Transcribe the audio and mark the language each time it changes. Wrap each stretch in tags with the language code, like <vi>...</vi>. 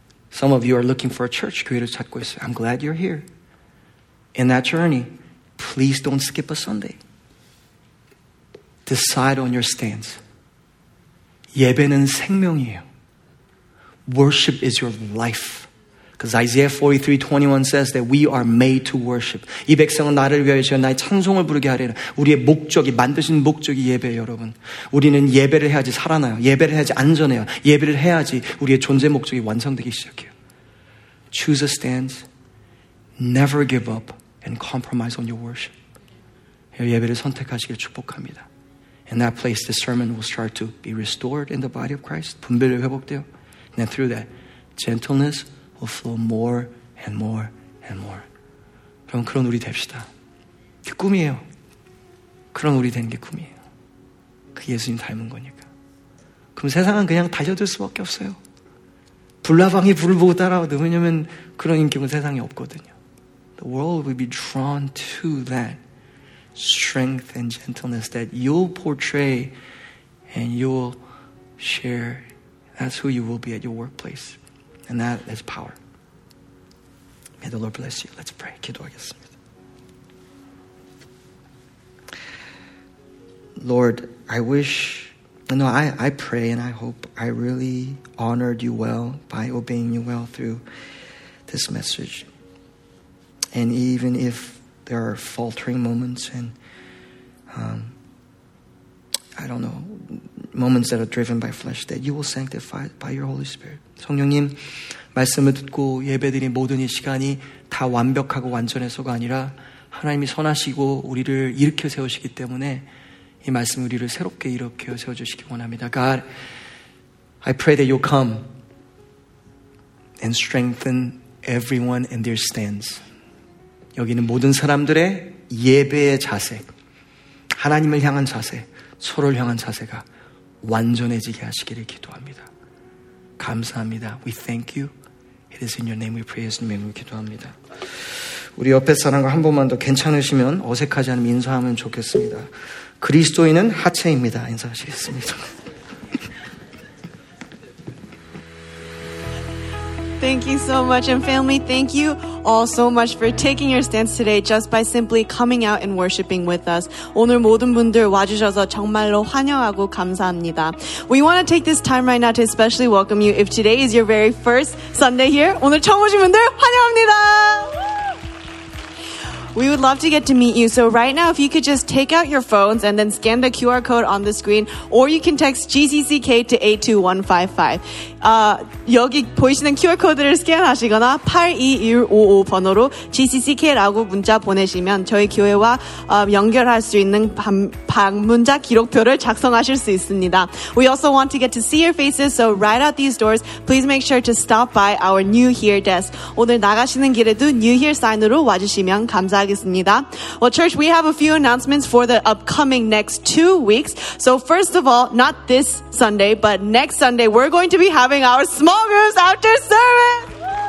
<en>Some of you are looking for a church. I'm glad you're here. In that journey, please don't skip a Sunday. Decide on your stance.</en> <ko>예배는 생명이에요.</ko> <en>Worship is your life. Because Isaiah 43:21 says that we are made to worship.</en> <ko>이 백성은 나를 위하여 지어 나의 찬송을 부르게 하리라. 우리의 목적이, 만드신 목적이 예배예요, 여러분. 우리는 예배를 해야지 살아나요. 예배를 해야지 안전해요. 예배를 해야지 우리의 존재 목적이 완성되기 시작해요.</ko> <en>Choose a stance. Never give up and compromise on your worship.</en> <ko>예배를 선택하시길 축복합니다.</ko> <en>In that place, discernment will start to be restored in the body of Christ.</en> <ko>분별이 회복돼요.</ko> <en>And then through that, gentleness will flow more and more and more.</en> <ko>그럼 그런 우리 됩시다. 그 꿈이에요. 그런 우리 되는 게 꿈이에요. 그 예수님 닮은 거니까. 그럼 세상은 그냥 달려들 수밖에 없어요. 불나방이 불을 보고 따라와도 왜냐면 그런 인격은 세상에 없거든요.</ko> <en>The world will be drawn to that strength and gentleness that you'll portray and you'll share. That's who you will be at your workplace. And that is power. May the Lord bless you. Let's pray.</en> <ko>기도하겠습니다.</ko> <en>Lord, I wish, you know, I pray and I hope I really honored you well by obeying you well through this message. And even if there are faltering moments and I don't know, moments that are driven by flesh, that you will sanctify by your Holy Spirit.</en> <ko>성령님, 말씀을 듣고 예배드린 모든 이 시간이 다 완벽하고 완전해서가 아니라 하나님이 선하시고 우리를 일으켜 세우시기 때문에 이 말씀이 우리를 새롭게 일으켜 세워주시기 원합니다.</ko> <en>God, I pray that you'll come and strengthen everyone in their stands.</en> <ko>여기는 모든 사람들의 예배의 자세, 하나님을 향한 자세, 서로를 향한 자세가 완전해지게 하시기를 기도합니다. 감사합니다.</ko> <en>We thank you. It is in your name we pray. In your name we</en> <ko>기도합니다. 우리 옆에 사람과 한 번만 더 괜찮으시면 어색하지 않으면 인사하면 좋겠습니다. 그리스도인은 하체입니다. 인사하시겠습니다.</ko> <en>Thank you so much. And family, thank you all so much for taking your stance today just by simply coming out and worshiping with us.</en> <ko>오늘 모든 분들 와주셔서 정말로 환영하고 감사합니다.</ko> <en>We want to take this time right now to especially welcome you. If today is your very first Sunday here,</en> <ko>오늘 처음 오신 분들 환영합니다.</ko> <en>We would love to get to meet you. So right now, if you could just take out your phones and then scan the QR code on the screen, or you can text GCCK to 82155.</en> <ko>여기 보이시는 QR 코드를 스캔하시거나 82155 번호로 GCCK라고 문자 보내시면 저희 교회와 연결할 수 있는 방문자 기록표를 작성하실 수 있습니다.</ko> <en>We also want to get to see your faces, so right out these doors, please make sure to stop by our New Here desk.</en> <ko>오늘 나가시는 길에도 New Here sign으로 와주시면 감사하겠습니다.</ko> <en>Well, church, we have a few announcements for the upcoming next 2 weeks. So first of all, not this Sunday, but next Sunday, we're going to be having our small groups after service.</en>